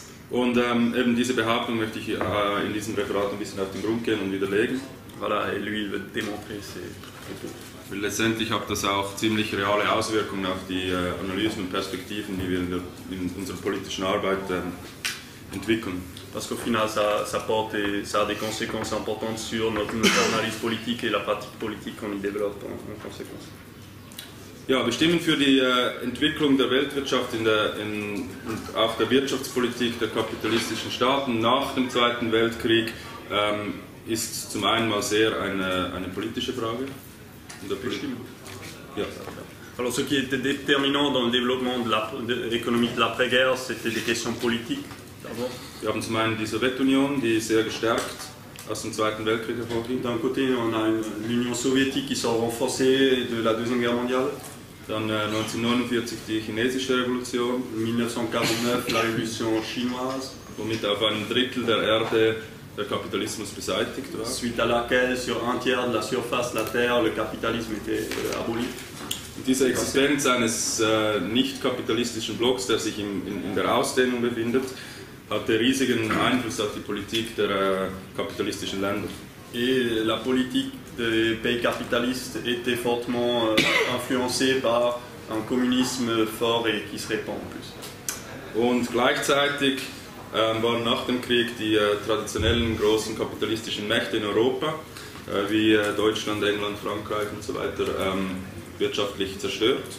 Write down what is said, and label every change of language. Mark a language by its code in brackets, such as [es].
[de] Und eben diese Behauptung möchte ich in diesem Referat ein bisschen auf den Grund gehen und widerlegen. [fr] Voilà, et lui il veut démontrer ses propos. [de] Weil letztendlich hat das auch ziemlich reale Auswirkungen auf die Analysen und Perspektiven, die wir in unserer politischen Arbeit entwickeln. [fr] Parce qu'au final, ça a des conséquences importantes sur notre analyse politique et la pratique politique qu'on y développe en conséquence. [de] Ja, wir stimmen für die Entwicklung der Weltwirtschaft und auch der Wirtschaftspolitik der kapitalistischen Staaten nach dem Zweiten Weltkrieg ist zum einen mal sehr eine politische Frage. Ja. [fr] Alors, ce qui était déterminant dans le développement de l'économie de l'après-guerre, c'était des questions politiques. [de] Wir haben zum einen die Sowjetunion, die sehr gestärkt aus dem Zweiten Weltkrieg hervorging. [fr] D'un côté, on a l'Union soviétique qui sort renforcée de la Deuxième Guerre mondiale. [de] dann 1949 die chinesische Revolution, [fr] 1949 la révolution chinoise, [de] womit auf einem Drittel der Erde der Kapitalismus beseitigt war. [fr] Suite à laquelle sur un tiers de la surface de la Terre le capitalisme était aboli. [de] Diese Existenz eines nicht-kapitalistischen Blocks, der sich in der Ausdehnung befindet, hatte riesigen Einfluss auf die Politik der kapitalistischen Länder. [fr] Et la politique des pays capitalistes était fortement influencée par un communisme fort et qui se répand en plus. [de] Und gleichzeitig waren nach dem Krieg die traditionellen großen kapitalistischen Mächte in Europa, wie Deutschland, England, Frankreich und so weiter, wirtschaftlich zerstört.